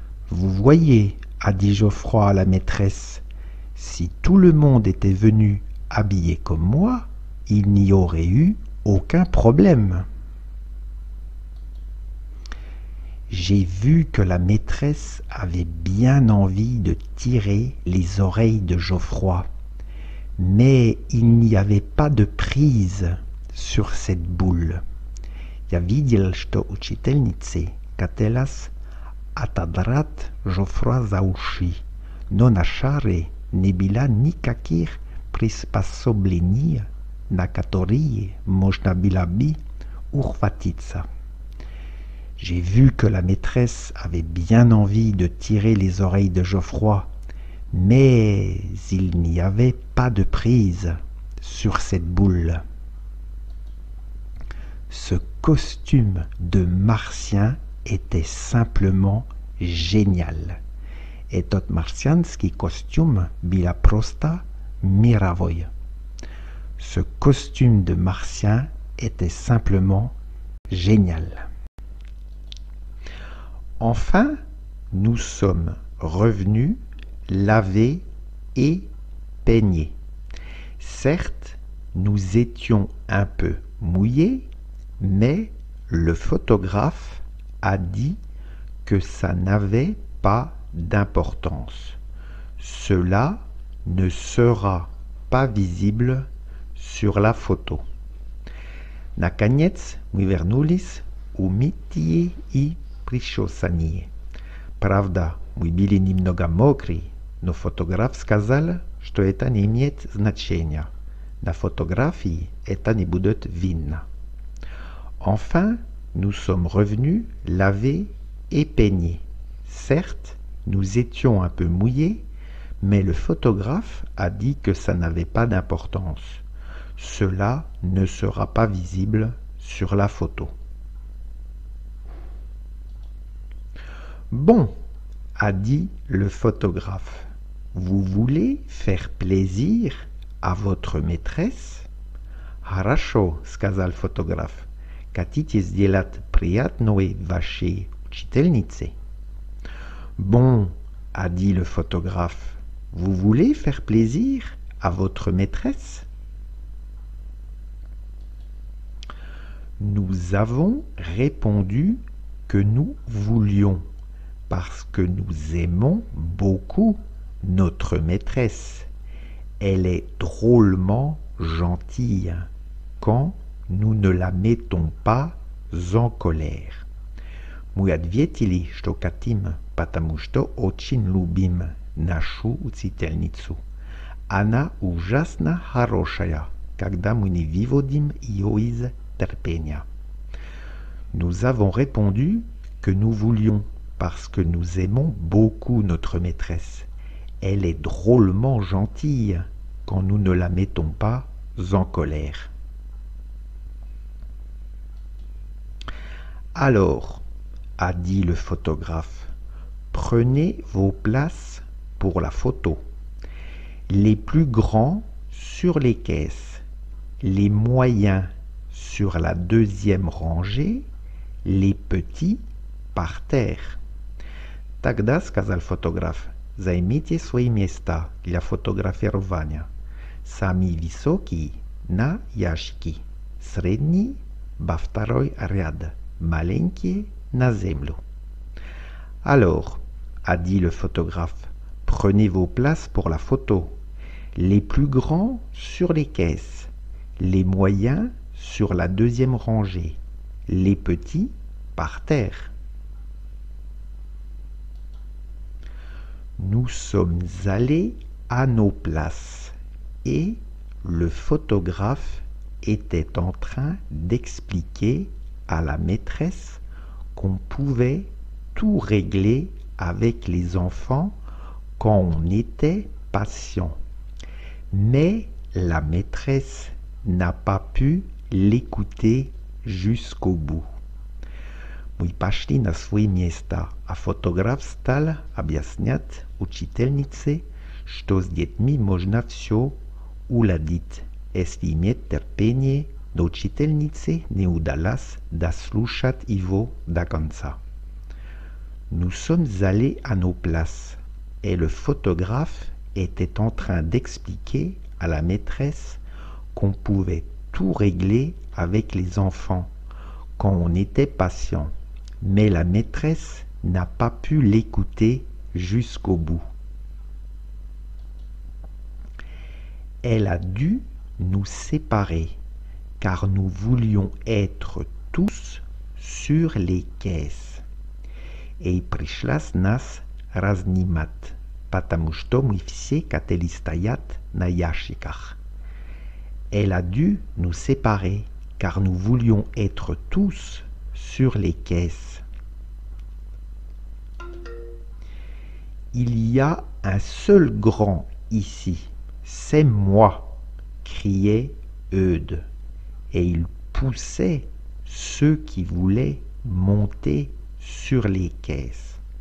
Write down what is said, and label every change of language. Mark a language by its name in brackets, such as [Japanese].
[French] Vous voyez, a dit Geoffroy à la maîtresse, si tout le monde était venu habillé comme moi, il n'y aurait eu aucun problème. J'ai vu que la maîtresse avait bien envie de tirer les oreilles de Geoffroy, mais il n'y avait pas de prise sur cette boule. [Russian] Я видел, что учительница хотелось отодрать Geoffroy за уши, но на шаре не было никаких приспособлений, на которые можно было бы ухватиться. [French] J'ai vu que la maîtresse avait bien envie de tirer les oreilles de Geoffroy, mais il n'y avait pas de prise sur cette boule. Ce costume de martien était simplement génial. [Russian] Этот марсианский костюм был просто мировой. [French] Ce costume de martien était simplement génial. Enfin, nous sommes revenus lavés et peignés. Certes, nous étions un peu mouillés, mais le photographe a dit que ça n'avait pas d'importance. Cela ne sera pas visible sur la photo. [Russian] Наконец, мы вернулись умытые и Саней. Правда, мы были немного мокрые, но фотограф сказал, что это не имеет значения. На фотографии это не будет видно. [French] Enfin, nous sommes revenus lavés et peignés. Certes, nous étions un peu mouillés, mais le photographe a dit que ça n'avait pas d'importance. Cela ne sera pas visible sur la photo. Bon, a dit le photographe, vous voulez faire plaisir à votre maîtresse? [Russian] Хорошо, сказал [French] le photographe. [Russian] Хотите сделать приятное вашей учительнице? [French] Bon, a dit le photographe, vous voulez faire plaisir à votre maîtresse? Nous avons répondu que nous voulions. Parce que nous aimons beaucoup notre maîtresse. Elle est drôlement gentille quand nous ne la mettons pas en colère. [Russian] Мы ответили, что хотим, потому что очень любим нашу учительницу. Она ужасно хорошая, когда мы не выводим ее из терпения. [French] Nous avons répondu que nous voulions, parce que nous aimons beaucoup notre maîtresse. Elle est drôlement gentille quand nous ne la mettons pas en colère. Alors, a dit le photographe, prenez vos places pour la photo. Les plus grands sur les caisses, les moyens sur la deuxième rangée, les petits par terre. [Russian] Тогда сказал фотограф, займите свои места для фотографирования. Самый высокий на ящике, средний во второй ряд, маленький на землю. [French] Alors, a dit le photographe, prenez vos places pour la photo. Les plus grands sur les caisses, les moyens sur la deuxième rangée, les petits par terre. Nous sommes allés à nos places et le photographe était en train d'expliquer à la maîtresse qu'on pouvait tout régler avec les enfants quand on était patient. Mais la maîtresse n'a pas pu l'écouter jusqu'au bout. [Russian] Мы пошли на свои места, а фотограф стал объяснять учительнице, что с детьми можно все уладить. Если иметь терпение, но учительнице не удалось дослушать его до конца. [French] Nous sommes allés à nos places, et le photographe était en train d'expliquer à la maîtresse qu'on pouvait tout régler avec les enfants quand on était patient. Mais la maîtresse n'a pas pu l'écouter jusqu'au bout. Elle a dû nous séparer, car nous voulions être tous sur les caisses. [Russian] Et пришла нас разнимать, потому что мы все хотели стоять на ящиках. [French] Elle a dû nous séparer, car nous voulions être tous sur les caisses. Il y a un seul grand ici, c'est moi, criait Eudes, et il poussait ceux qui voulaient monter sur les caisses.